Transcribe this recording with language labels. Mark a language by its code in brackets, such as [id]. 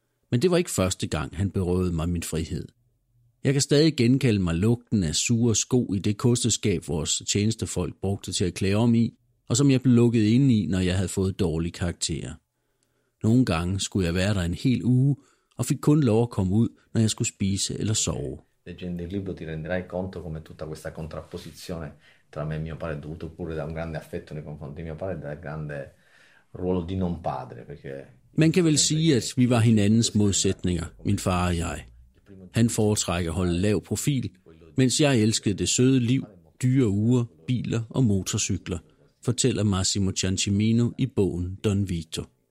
[da] Men det var ikke første gang, han berøvede mig min frihed. Jeg kan stadig genkalde mig lugten af sure sko i det kosteskab, vores tjenestefolk brugte til at klæde om i, og som jeg blev lukket ind i, når jeg havde fået dårlige karakterer. Nogle gange skulle jeg være der en hel uge, og fik kun lov at komme ud, når jeg skulle spise eller sove. [it] Leggendo il libro ti renderai conto come tutta questa contrapposizione tra me e mio padre è dovuto pure da un grande affetto nei confronti di mio padre da un grande ruolo di non padre, perché [da] man kan vel sige, at vi var hinandens modsætninger, min far og jeg. Han foretrækker at holde lav profil, mens jeg elskede det søde liv, dyre ure, biler og motorcykler, fortæller Massimo Ciancimino i bogen Don Vito.